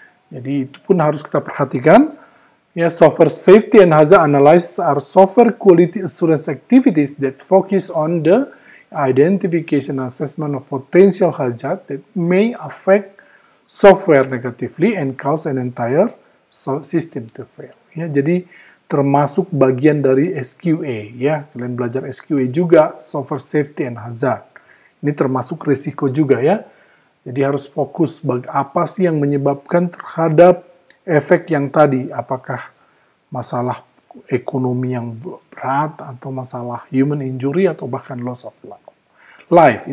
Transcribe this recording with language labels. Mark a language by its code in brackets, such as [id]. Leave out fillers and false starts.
[id] Jadi itu pun harus kita perhatikan. [en] Ya, software safety and hazard analysis are software quality assurance activities that focus on the identification and assessment of potential hazard that may affect software negatively and cause an entire system to fail. [id] Ya, jadi termasuk bagian dari SQA, ya. Kalian belajar SQA juga, software safety and hazard. Ini termasuk risiko juga, ya. Jadi harus fokus apa sih yang menyebabkan terhadap efek yang tadi. Apakah masalah ekonomi yang berat atau masalah human injury atau bahkan loss of life.